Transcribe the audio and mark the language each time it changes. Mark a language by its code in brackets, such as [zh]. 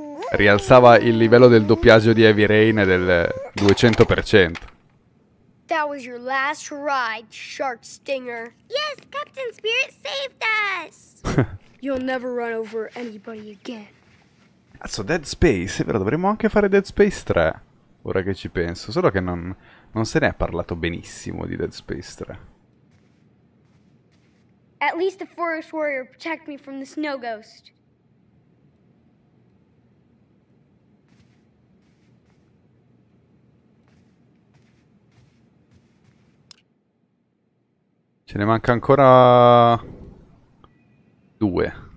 [it] Rialzava il livello del doppiaggio di Heavy Rain del 200%. [en] That was your last ride, Shark Stinger. Yes, Captain Spirit saved us! You'll never run over anybody again. [it] Adesso Dead Space, è vero, dovremmo anche fare Dead Space 3. Ora che ci penso. Solo che non se ne è parlato benissimo di Dead Space 3. [en] At least the Forest Warrior protect me from the Snow Ghost. [it] Ce ne manca ancora due.